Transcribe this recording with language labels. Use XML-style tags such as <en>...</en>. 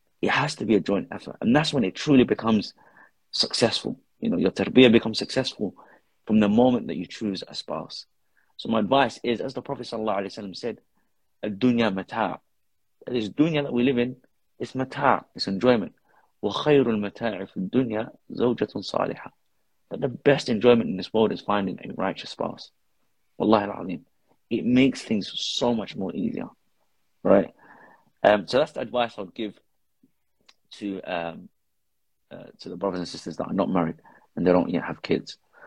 <en>It has to be a joint effort. And that's when it truly becomes successful. You know, your tarbiyah becomes successful from the moment that you choose a spouse. So my advice is, as the Prophet sallallahu alaihi wasallam said,</en> <ar>الدنيا متاع.</ar> <en>This dunya that we live in, it's متاع, it's enjoyment.</en> <ar>وخير المتاع في الدنيا زوجة صالحة.</ar> <en>But the best enjoyment in this world is finding a righteous spouse. Wallahi al-Azim, it makes things so much more easier, right? So that's the advice I'd give to the brothers and sisters that are not married and they don't yet have kids.</en>